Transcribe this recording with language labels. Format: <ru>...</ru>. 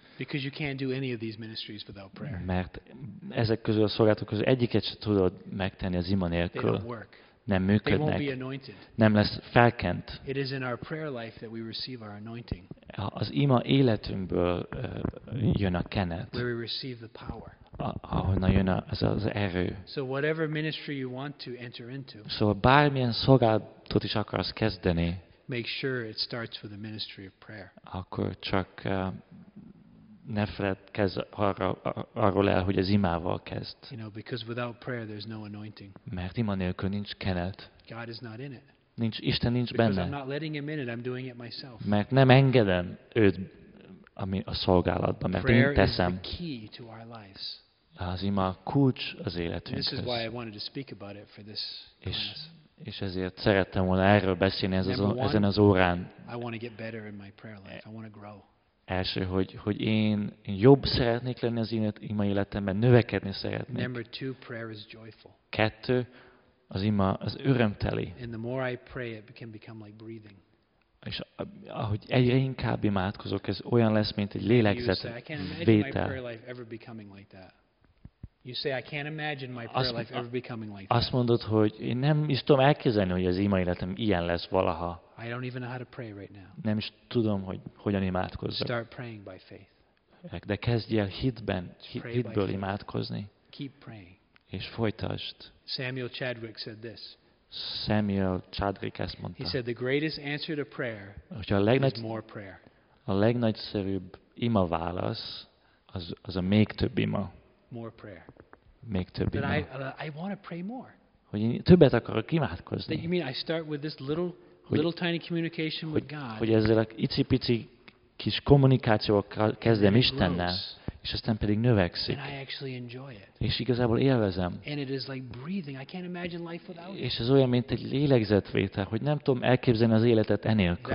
<en>Because you can't do any of these ministries without prayer.</en> <hu>Mert ezek közül a szolgálatok közül egyiket sem tudod megtenni az ima nélkül. Nem működnek.</hu> <en>They won't be anointed.</en> <hu>Nem lesz felkent.</hu> <en>It is in our prayer life that we receive our anointing.</en> <hu>Az ima életünkből jön a kenet.</hu> <en>Where we receive the power.</en> <hu>Ahonnan jön az erő.</hu> <en>So whatever ministry you want to enter into.</en> <hu>Szóval bármilyen szolgálatot is akarsz kezdeni.</hu> <en>Make sure it starts with the ministry of prayer.</en> <hu>Akkor csak ne feledkezz arról el, hogy az imával kezd.</hu> <en>You know, because without prayer there's no anointing.</en> <hu>Mert ima nélkül nincs kenet.</hu> <en>God is not in it.</en> <hu>Nincs, Isten nincs</hu> <en>because</en> <hu>benne.</hu> <en>I'm not letting him in it, I'm doing it myself.</en> <hu>Mert nem engedem őt a szolgálatba, mert</hu> <en>prayer</en> <hu>én teszem.</hu> <en>Is the key to our lives.</en> <hu>Az ima kulcs az életünkhöz.</hu> <en>This is why I wanted to speak about it for this class.</en> <hu>És ezért szerettem volna erről beszélni ezen az órán.</hu> <en>I want to get better in my prayer life. I want to grow.</en> <hu>Első, hogy én jobb szeretnék lenni az ima életemben, növekedni szeretnék.</hu> <en>Number two, prayer is joyful.</en> <hu>Kettő, az ima az örömteli.</hu> <en>And the more I pray, it can become like breathing.</en> <hu>És ahogy egyre inkább imádkozok, ez olyan lesz, mint egy lélegzett vétel.</hu> <en>I can't imagine my prayer life ever becoming like that. You say I can't imagine my prayer life ever becoming like that.</en> <hu>Azt mondod, hogy én nem is tudom elképzelni, hogy az ima életem ilyen lesz valaha.</hu> <en>I don't even know how to pray right now.</en> <hu>Nem is tudom, hogy hogyan imádkozzak.</hu> <en>Start praying by faith.</en> <hu>De kezdj el hitből imádkozni.</hu> <en>Keep praying.</en> <hu>És folytasd.</hu> <en>Samuel Chadwick said this.</en> <hu>Samuel Chadwick ezt mondta.</hu> <en>He said the greatest answer to prayer is more prayer.</en> <hu>A legnagyszerűbb ima válasz az a még több ima.</hu> <en>More prayer.</en> <hu>Még több ima.</hu> <en>I want to pray more.</en> <hu>Hogy én többet akarok imádkozni.</hu> <en>That you mean I start with this little tiny communication with God.</en> <hu>Hogy ezzel a icipici kis kommunikációval kezdem Istennel, és aztán pedig növekszik.</hu> <en>And I actually enjoy it.</en> <hu>És igazából élvezem.</hu> <en>And it is like breathing. I can't imagine life without it.</en> <hu>És ez olyan, mint egy lélegzetvétel, hogy nem tudom elképzelni az életet enélkül.</hu>